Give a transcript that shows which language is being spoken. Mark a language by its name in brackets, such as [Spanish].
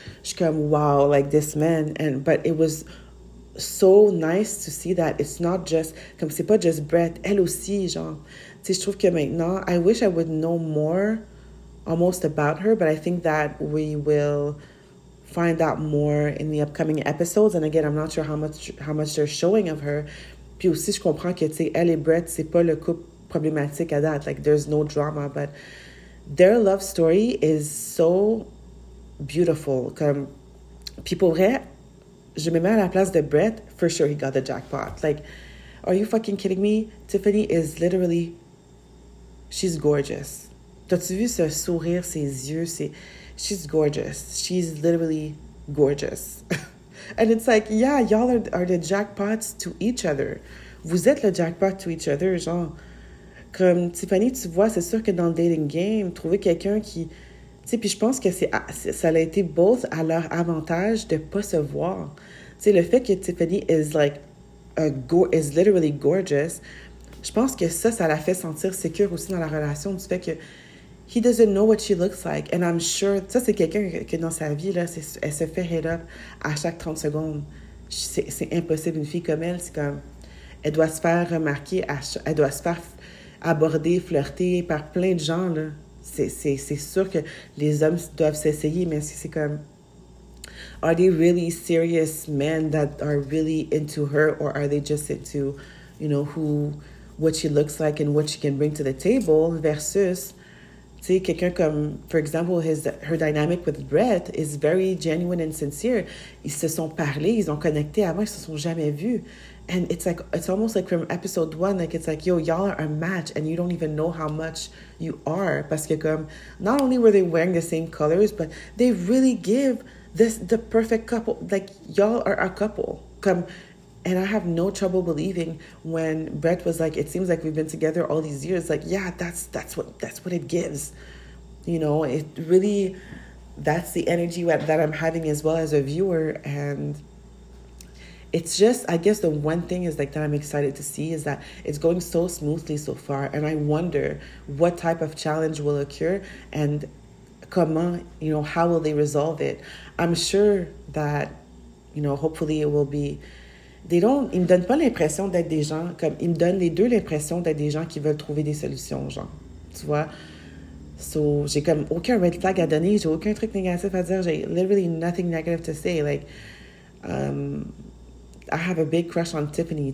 [French] Je comme, [English] wow, like this man. And but it was so nice to see that it's not just, [French] comme c'est pas just Brett, elle aussi, genre. Tu sais, je trouve que maintenant, [English] I wish I would know more almost about her, but I think that we will find out more in the upcoming episodes. And again, I'm not sure how much they're showing of her. [French] Puis aussi, je comprends que, tu sais, elle et Brett, c'est pas le couple. [English] Problematic at that, like there's no drama, but their love story is so beautiful. [French] Comme, puis pour vrai, je me mets à la place de Brett, [English] for sure he got the jackpot. Like, are you fucking kidding me? Tiffany is literally, she's gorgeous. [French] T'as-tu vu ce sourire, ses yeux, c'est, [English] she's gorgeous. She's literally gorgeous. And it's like, yeah, y'all are the jackpots to each other. [French] Vous êtes le jackpot [English] to each other, [French] genre. Comme Tiffany, tu vois, c'est sûr que dans le dating game, trouver quelqu'un qui. Tu sais, puis je pense que ça a été both à leur avantage de ne pas se voir. Tu sais, le fait que Tiffany [English] is like, is literally gorgeous, [French] je pense que ça l'a fait sentir secure aussi dans la relation, du fait que [English] he doesn't know what she looks like. And I'm sure, [French] ça, c'est quelqu'un que dans sa vie, là, elle se fait hit up à chaque 30 secondes. C'est impossible, une fille comme elle, c'est comme. Elle doit se faire remarquer, elle doit se faire. Aborder, flirter par plein de gens, là. C'est sûr que les hommes doivent s'essayer, mais c'est comme. [English] Are they really serious men that are really into her, or are they just into, you know, what she looks like and what she can bring to the table versus, [French] tu sais, quelqu'un comme, [English] for example, her dynamic with Brett is very genuine and sincere. [French] Ils se sont parlé, ils ont connecté avant, ils se sont jamais vus. [English] And it's like, it's almost like from episode one, like, it's like, yo, y'all are a match and you don't even know how much you are. [French] Parce que comme, [English] not only were they wearing the same colors, but they really give this the perfect couple. Like, y'all are a couple. Comme, and I have no trouble believing when Brett was like, it seems like we've been together all these years. Like, yeah, that's what it gives. You know, it really, that's the energy that I'm having as well as a viewer. And it's just, I guess the one thing is like that I'm excited to see is that it's going so smoothly so far. And I wonder what type of challenge will occur and comment, you know, how will they resolve it? I'm sure that, you know, hopefully it will be. [French] Ils me donnent pas l'impression d'être des gens comme ils me donnent les deux l'impression d'être des gens qui veulent trouver des solutions, genre. Tu vois? So, j'ai comme aucun red flag à donner, j'ai aucun truc négatif à dire, j'ai [English] literally nothing negative to say. Like, I have a big crush on Tiffany.